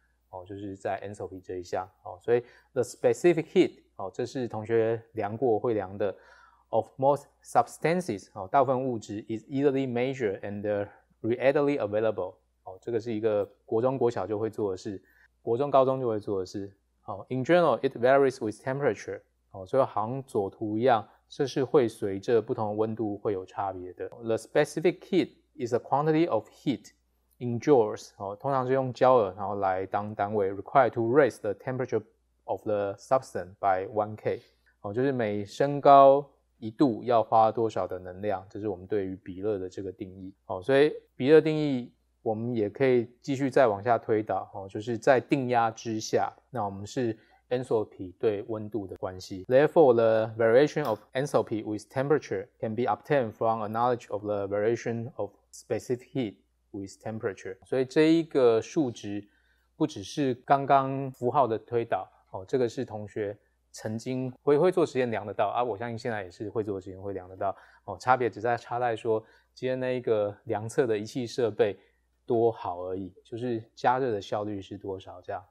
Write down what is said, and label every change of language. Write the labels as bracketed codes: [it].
[zh] 哦，就是在 enthalpy 这一项。哦，所以 [en] the specific heat， [zh] 哦，这是同学量过会量的 [en] of most substances， [zh] 哦，大部分物质 [en] is easily measured and readily available。 [zh] 哦，这个是一个国中国小就会做的事。国中高中就会做的事。 [en] In general, it varies with temperature. [zh] 所以行左图一样，这是会随着不同的温度会有差别的。 [en] The specific heat is a quantity of heat in joules. [zh] 通常是用焦耳然后来当单位 [en] ,required to raise the temperature of the substance by 1K. [zh] 就是每升高一度要花多少的能量，这是我们对于比热的这个定义。所以比热定义我们也可以继续再往下推导，就是在定压之下，那我们是 enthalpy 对温度的关系。 [en] Therefore, the variation of enthalpy with temperature can be obtained from a knowledge of the variation of specific heat with temperature. [zh] 所以这一个数值不只是刚刚符号的推导，这个是同学曾经 会做实验量得到啊，我相信现在也是会做实验会量得到，差别只在差在说今天那一个量测的仪器设备多好而已，就是加热的效率是多少这样。